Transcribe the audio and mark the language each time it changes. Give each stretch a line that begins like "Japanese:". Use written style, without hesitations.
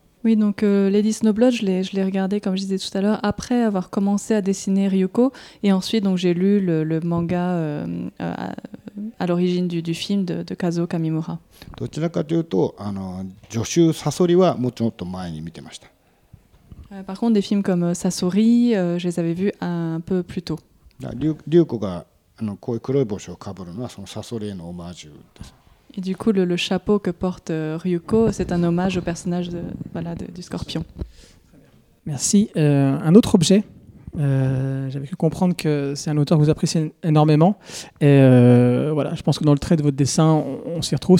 French: Oui, donc Lady Snowblood, je l'ai regardé, comme je disais tout à l'heure, après avoir commencé à dessiner Ryuko. Et ensuite, donc, j'ai lu le manga à l'origine du film de Kazuo Kamimura.
Japanese: どちらかというと、助手サソリはもうちょっと前に見てました。
French: Par contre, des films comme Sasori, je les avais vus un peu plus tôt.
Japanese: Ryuko がこういう黒い帽子をかぶるのは、そのサソリへのオマージュです。
French: Et du coup, le chapeau que porte Ryuko, c'est un hommage au personnage du scorpion. Merci. Un autre objet. J'avais pu comprendre que c'est un auteur que vous appréciez énormément. Et voilà, je pense que dans le trait de votre dessin, on s'y retrouve.